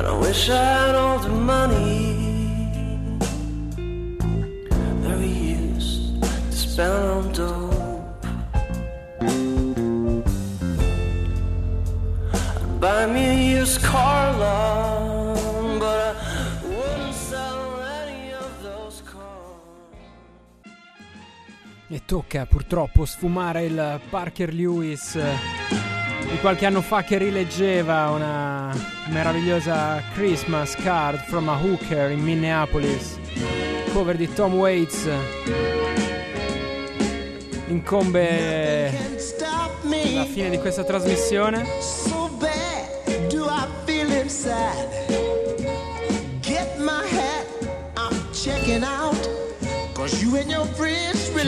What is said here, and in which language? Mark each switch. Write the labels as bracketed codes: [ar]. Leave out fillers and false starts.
[en] Wish I had all the money that we used to spend on dope. I'd buy me a used car lot, but I wouldn't sell any of those cars. [it] E tocca purtroppo sfumare il Parker Lewis di qualche anno fa, che rileggeva una meravigliosa Christmas Card from a Hooker in Minneapolis, cover di Tom Waits, incombe la fine di questa trasmissione. [en] So bad do I feel inside. Get my hat, I'm checking out. Cause you and your friends really.